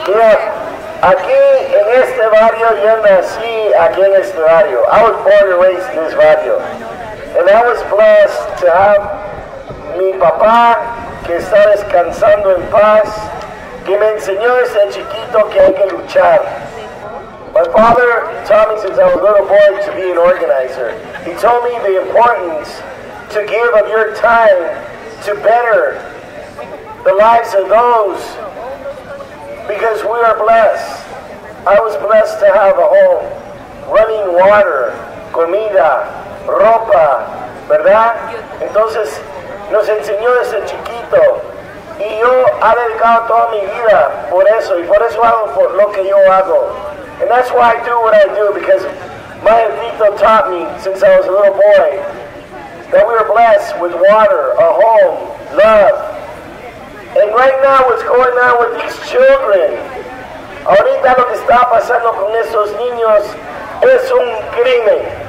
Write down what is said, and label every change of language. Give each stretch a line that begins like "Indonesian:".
Spanish: Mira, aquí en este barrio, yo nací aquí en este barrio.
English: I was born and raised in this barrio. And I was blessed to have
Spanish: mi papá, que está descansando en paz, y me enseñó desde chiquito que hay que luchar.
English: My father taught me since I was a little boy to be an organizer. He told me the importance to give of your time to better the lives of those because we are blessed. I was blessed to have a home, running water,
Spanish: comida, ropa, ¿verdad? Entonces nos enseñó desde chiquito. Y yo he dedicado toda mi vida por eso, y por eso hago por lo que yo hago.
English: And that's why I do what I do, because my abuelito taught me since I was a little boy that we are blessed with water, a home, love. And right now what's going on with these children,
Spanish: ahorita lo que está pasando con esos niños es un crimen.